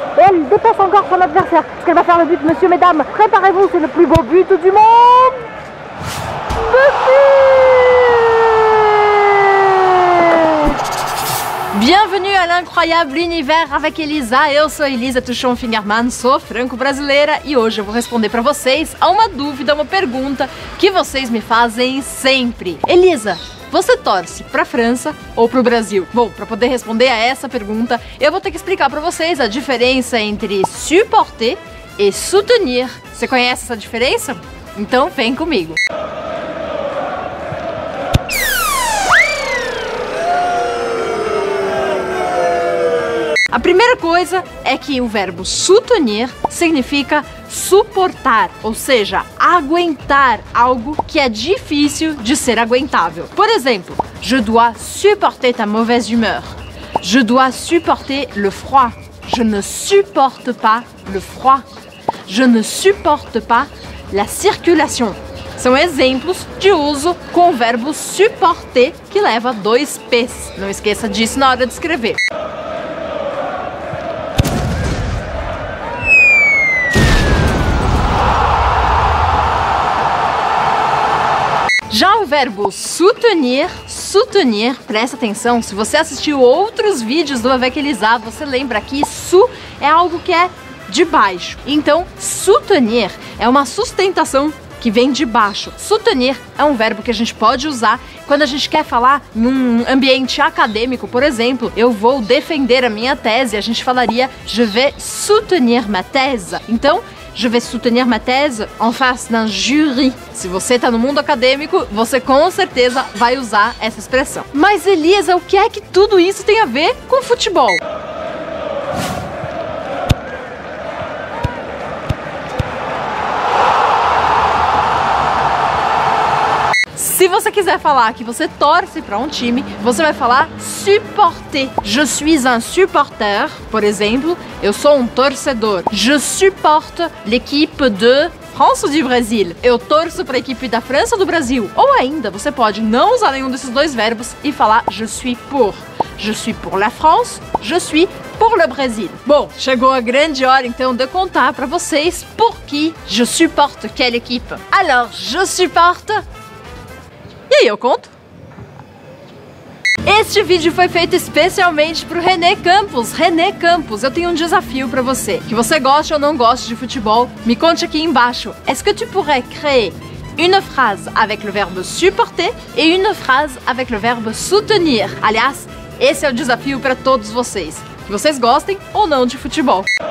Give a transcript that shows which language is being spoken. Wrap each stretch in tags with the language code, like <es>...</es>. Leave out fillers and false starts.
<fr>Elle dépasse encore son adversaire. Parce qu'elle va faire le but, messieurs, mesdames. Préparez-vous, c'est le plus beau but du monde. Merci. Bienvenue à l'incroyable univers avec Elisa.</fr> <pt>Eu sou Elisa Tuchon Fingerman, sou franco-brasileira e hoje eu vou responder para vocês a uma dúvida, uma pergunta que vocês me fazem sempre. Elisa, você torce para a França ou para o Brasil? Bom, para poder responder a essa pergunta, eu vou ter que explicar para vocês a diferença entre supporter e soutenir. Você conhece essa diferença? Então vem comigo. A primeira coisa é que o verbo soutenir significa suportar, ou seja, aguentar algo que é difícil de ser aguentável. Por exemplo,</pt> <fr>je dois supporter ta mauvaise humeur. Je dois supporter le froid. Je ne supporte pas le froid. Je ne supporte pas la circulation.</fr> <pt>São exemplos de uso com o verbo supporter que leva dois P's. Não esqueça disso na hora de escrever. Já o verbo soutenir, soutenir, presta atenção, se você assistiu outros vídeos do Avec Elisa, você lembra que su é algo que é de baixo. Então, soutenir é uma sustentação que vem de baixo. Soutenir é um verbo que a gente pode usar quando a gente quer falar num ambiente acadêmico, por exemplo, eu vou defender a minha tese, a gente falaria</pt> <fr>je vais soutenir ma thèse.</fr> <pt>Então,</pt> <fr>je vais soutenir ma thèse en face d'un jury.</fr> <pt>Se você tá no mundo acadêmico, você com certeza vai usar essa expressão. Mas Elisa, o que é que tudo isso tem a ver com futebol? Se você quiser falar que você torce para um time, você vai falar supporter.</pt> <fr>Je suis un supporter,</fr> <pt>por exemplo, eu sou um torcedor.</pt> <fr>Je supporte l'équipe de France ou du Brésil.</fr> <pt>Eu torço para a equipe da França ou do Brasil. Ou ainda, você pode não usar nenhum desses dois verbos e falar</pt> <fr>je suis pour. Je suis pour la France, je suis pour le Brésil.</fr> <pt>Bom, chegou a grande hora então de contar para vocês por que</pt> <fr>je supporte quelle équipe. Alors, je supporte...</fr> <pt>E aí, eu conto? Este vídeo foi feito especialmente pro René Campos. René Campos, eu tenho um desafio pra você. Que você goste ou não goste de futebol, me conte aqui embaixo.</pt> <fr>Est-ce que tu pourrais créer une phrase avec le verbe supporter et une phrase avec le verbe soutenir?</fr> <pt>Aliás, esse é o desafio pra todos vocês. Que vocês gostem ou não de futebol.</pt>